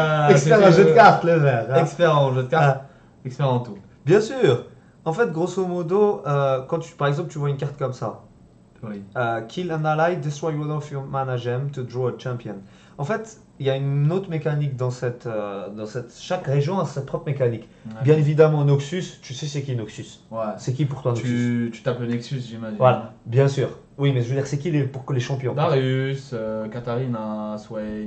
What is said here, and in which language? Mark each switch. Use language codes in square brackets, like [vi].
[fr] Expert en jeu de cartes, le vert. expert en jeu de cartes, Hein. expert en tout. Bien sûr. En fait, grosso modo, quand tu, par exemple, tu vois une carte comme ça, Oui. [en] Kill an ally, destroy one of your mana gem to draw a champion. [fr] En fait, il y a une autre mécanique dans cette, chaque région a sa propre mécanique. Bien Ok. évidemment, Noxus, tu sais c'est qui Noxus? Ouais. C'est qui pour toi Noxus? Tu tapes le Nexus, j'imagine. Voilà, bien sûr. Oui, mais je veux dire, c'est qui pour les champions? Darius, Katarina, Swain.